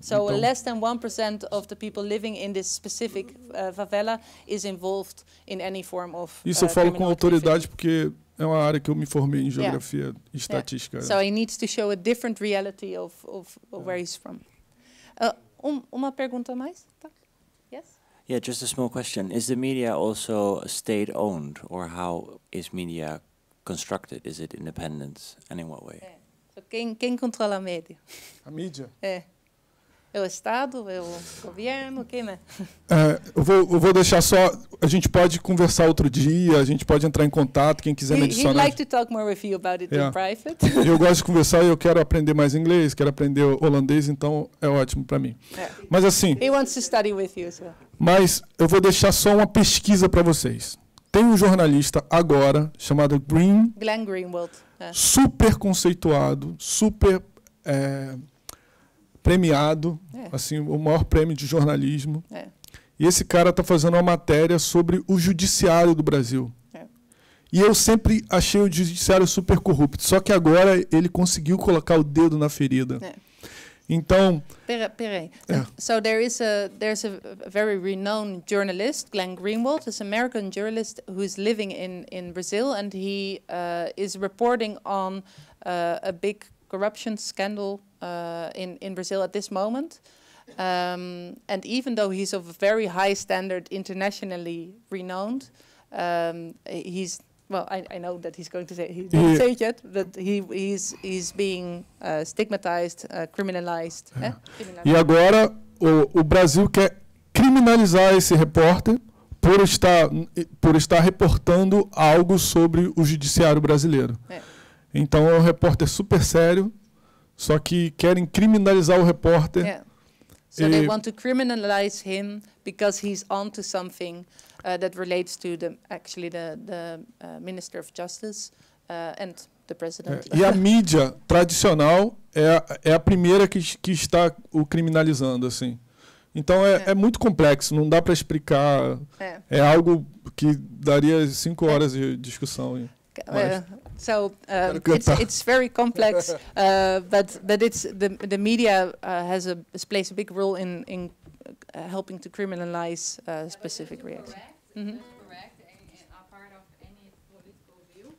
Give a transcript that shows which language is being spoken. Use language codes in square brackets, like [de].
[en] So então, less than 1% of the people living in this specific favela is involved in any form of [pt] isso eu falo com autoridade activity. Porque é uma área que eu me formei em geografia yeah. e estatística. [en] Yeah. So he needs to show a different reality of where he's from. [pt] Uma pergunta mais? Tá. [en] Yes? Yeah, just a small question. Is the media also state owned or how is media constructed? Is it independent, and in what way? [pt] So, quem controla a mídia? A mídia? É o Estado, é o governo, quem é? Eu vou deixar só. A gente pode conversar outro dia. A gente pode entrar em contato. Quem quiser me adicionar. [en] He'd like to talk more with you about it in private. [pt] Eu gosto de conversar e eu quero aprender mais inglês. Quero aprender holandês. Então é ótimo para mim. Mas assim. [en] He wants to study with you as well. [pt] Mas eu vou deixar só uma pesquisa para vocês. Tem um jornalista agora chamado Glenn Greenwald, super conceituado, super premiado, assim, o maior prêmio de jornalismo. E esse cara está fazendo uma matéria sobre o judiciário do Brasil. E eu sempre achei o judiciário super corrupto, só que agora ele conseguiu colocar o dedo na ferida. Então, [en] So there's a very renowned journalist, Glenn Greenwald, an American journalist who is living in Brazil, and he is reporting on a big corruption scandal in Brazil at this moment. And even though he's of a very high standard, internationally renowned, he's well. I know that he's going to say he didn't say it yet, but he's being stigmatized, criminalized. [pt] E agora o Brasil quer criminalizar esse repórter por estar reportando algo sobre o judiciário brasileiro. Então é um repórter super sério, só que querem criminalizar o repórter. [en] So they want to criminalize him because he's onto something that relates to the Minister of Justice and the President. [pt] E a mídia tradicional é a primeira que está o criminalizando, assim. Então é muito complexo, não dá para explicar. É algo que daria 5 horas de discussão. [en] It's very complex, but it's the media plays a big role in helping to criminalize specific reactions. Correct, part of any political view.